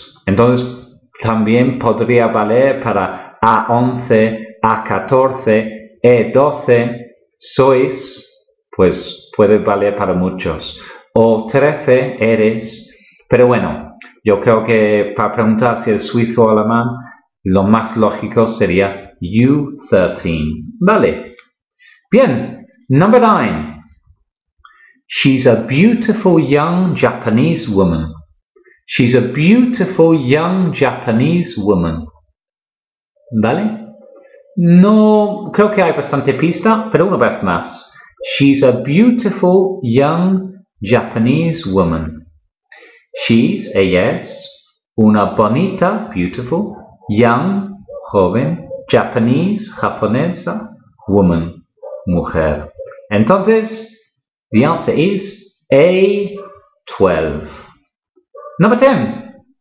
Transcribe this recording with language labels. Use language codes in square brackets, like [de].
[es] Entonces, también podría valer para A11, A14, E12, sois, pues puede valer para muchos. O 13, eres. Pero bueno, yo creo que para preguntar si es suizo o alemán, lo más lógico sería U13. Vale. Bien, [en] number 9. She's a beautiful young Japanese woman. She's a beautiful young Japanese woman. [es] ¿Vale? No, creo que hay bastante pista, pero una vez más. [en] She's a beautiful young Japanese woman. She's, [es] ella es, una bonita, [en] beautiful, young, [es] joven, [en] Japanese, [es] japonesa, [en] woman, [es] mujer. Entonces, [en] the answer is A12. Number 10.